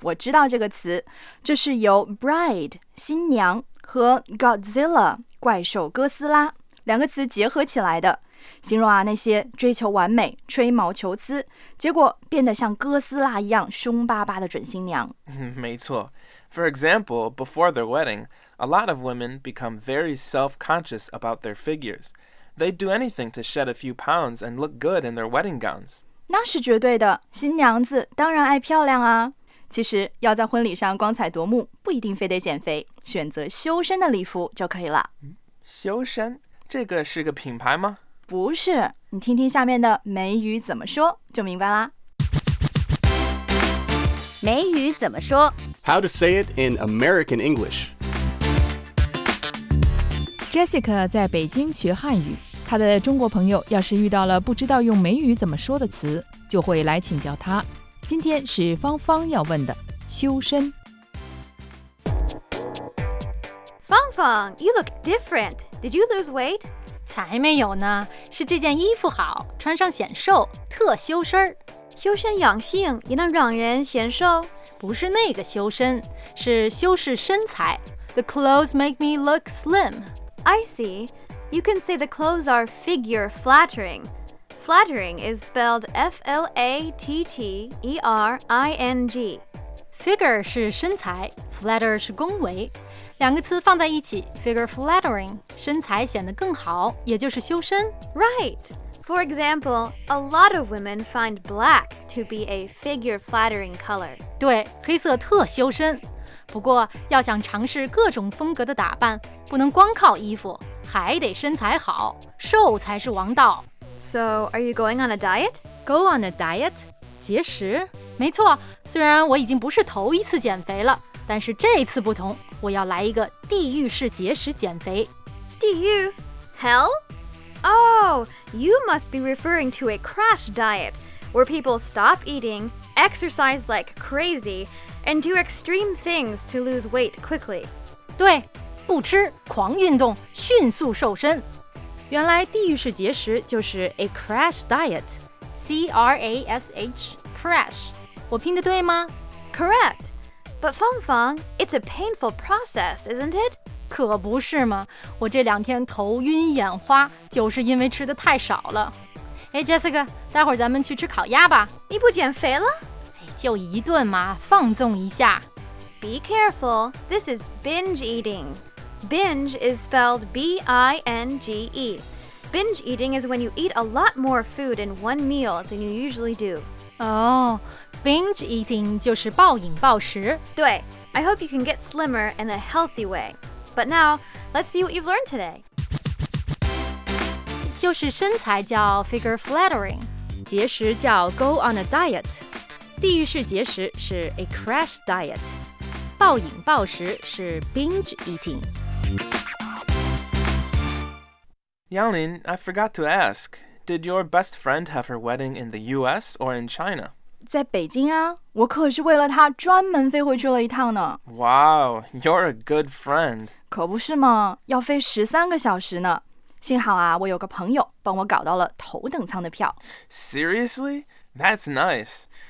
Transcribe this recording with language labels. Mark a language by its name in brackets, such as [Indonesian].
[Chinese] 我知道这个词，这是由 bride 新娘和 Godzilla 怪兽哥斯拉两个词结合起来的，形容啊那些追求完美、吹毛求疵，结果变得像哥斯拉一样凶巴巴的准新娘。没错。 [English] For example, before their wedding, a lot of women become very self-conscious about their figures. They'd do anything to shed a few pounds and look good in their wedding gowns. [Chinese] 那是绝对的，新娘子当然爱漂亮啊。其实要在婚礼上光彩夺目，不一定非得减肥，选择修身的礼服就可以了。修身？这个是个品牌吗？不是，你听听下面的美语怎么说就明白啦。美语怎么说 [English] ？How to say it in American English? [Chinese] Jessica 在北京学汉语，她的中国朋友要是遇到了不知道用美语怎么说的词，就会来请教她。今天是芳芳要问的，修身。 [English] 芳芳 ，You look different. Did you lose weight? [Chinese] 才没有呢，是这件衣服好，穿上显瘦，特修身。修身养性也能让人显瘦？不是那个修身，是修饰身材。 [English] The clothes make me look slim. I see. You can say the clothes are figure flattering. Flattering is spelled F-L-A-T-T-E-R-I-N-G. [Chinese] Figure 是身材， flatter 是恭维。两个词放在一起 figure flattering, 身材显得更好也就是修身。 [English] Right! For example, a lot of women find black to be a figure flattering color. [Chinese] 对,黑色特修身。不过要想尝试各种风格的打扮不能光靠衣服还得身材好瘦才是王道。 [English] So, are you going on a diet? Go on a diet? [Chinese] 节食? 没错虽然我已经不是头一次减肥了但是这次不同我要来一个地狱式节食减肥。地狱?Hell? [English] Oh, you must be referring to a crash diet, where people stop eating, exercise like crazy, and do extreme things to lose weight quickly. [Chinese] 对,不吃,狂运动,迅速瘦身。原来地狱式节食就是 a crash diet, C-R-A-S-H, crash. 我拼得对吗? [English] Correct. But Fang Fang, it's a painful process, isn't it? [Chinese] 可不是嘛,我这两天头晕眼花,就是因为吃得太少了。哎 ,Jessica, 待会儿咱们去吃烤鸭吧。你不减肥了? 哎,就一顿嘛,放纵一下。 [English] Be careful, this is binge eating. Binge is spelled B-I-N-G-E. Binge eating is when you eat a lot more food in one meal than you usually do. [Chinese] Oh, binge eating 就是暴饮暴食。 [English] 对, I hope you can get slimmer in a healthy way. But now, let's see what you've learned today. [Chinese] 修饰身材叫 figure flattering, 节食叫 go on a diet. 地狱式节食是 a crash diet, 暴饮暴食是 binge eating. [English] Yanglin, I forgot to ask, did your best friend have her wedding in the U.S. or in China? [Chinese] 在北京啊，我可是为了她专门飞回去了一趟呢。 [English] Wow, you're a good friend. [Chinese] 可不是嘛，要飞13个小时呢。幸好啊，我有个朋友帮我搞到了头等舱的票。 [English] Seriously? That's nice.